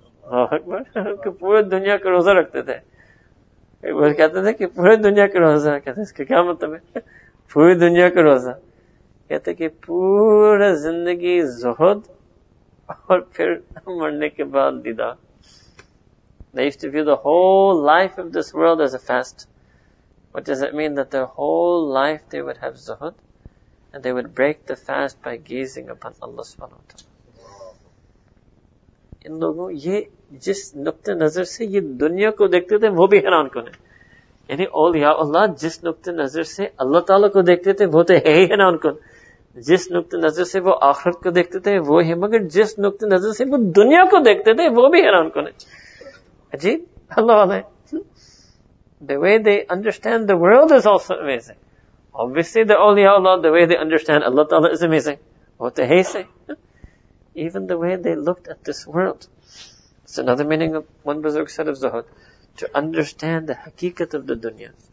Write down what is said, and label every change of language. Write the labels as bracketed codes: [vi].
[ur] پورے دنیا کا روزہ رکھتے تھے. وہ کہتے تھے کہ پورے دنیا کا روزہ, کہتے اس کا کیا مطلب ہے پوری دنیا کا روزہ, کہتے کہ پورا زندگی زہد اور پھر مرنے کے بعد دیدار. [en] They used to view the whole life of this world as a fast. What does it mean that their whole life they would have زہد and they would break the fast by gazing upon Allah سبحانہ وتعالی. [ur] ان لوگوں یہ جس نقطہ نظر سے یہ دنیا کو دیکھتے تھے وہ بھی حیران کن ہے. یعنی اولیاء اللہ جس نقطہ نظر سے اللہ تعالیٰ کو دیکھتے تھے وہ تو ہے ہی حیران کن, جس نقطہ نظر سے وہ آخرت کو دیکھتے تھے وہ ہے, مگر جس نقطہ نظر سے وہ دنیا کو دیکھتے تھے وہ بھی حیران کن ہے. عجیب اللہ والے. [en] The way they understand the world is also amazing. Obviously the اولیاء اللہ, the way they understand Allah تعالیٰ is amazing. [ur] وہ تو ہے ہی سے. [en] Even the way they looked at this world. It's another meaning of one buzurg said of zuhud, to understand the haqiqat of the dunya.